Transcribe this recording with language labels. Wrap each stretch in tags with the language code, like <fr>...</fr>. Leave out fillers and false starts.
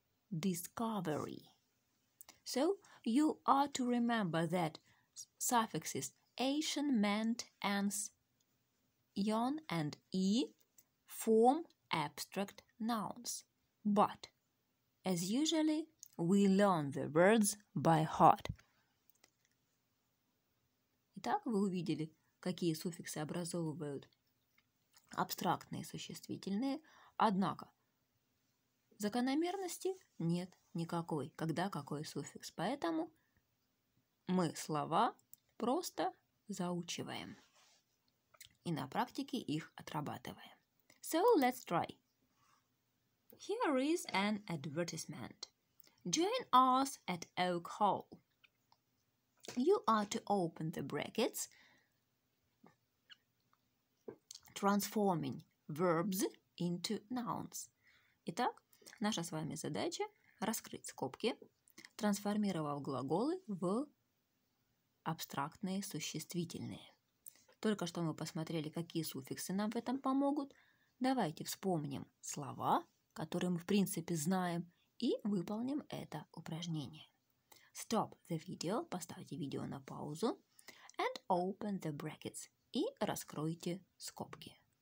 <en>discovery. So you are to remember that suffixes ation, ment, ans, ion, and e form abstract nouns. But, as usually, we learn the words by heart.</en> <ru>Итак, вы увидели, какие суффиксы образовывают абстрактные существительные. Однако, закономерности нет никакой, когда какой суффикс. Поэтому мы слова просто заучиваем и на практике их отрабатываем.</ru> <en>So, let's try. Here is an advertisement. Join us at Oak Hall. You are to open the brackets, transforming verbs into nouns.</en> <ru>Итак, наша с вами задача – раскрыть скобки, трансформировав глаголы в абстрактные существительные. Только что мы посмотрели, какие суффиксы нам в этом помогут. Давайте вспомним слова, которые мы, в принципе, знаем, и выполним это упражнение.</ru> <en>Stop the video,</en> <ru>поставьте видео на паузу,</ru> <en>and open the brackets,</en> <ru>и раскройте скобки.</ru>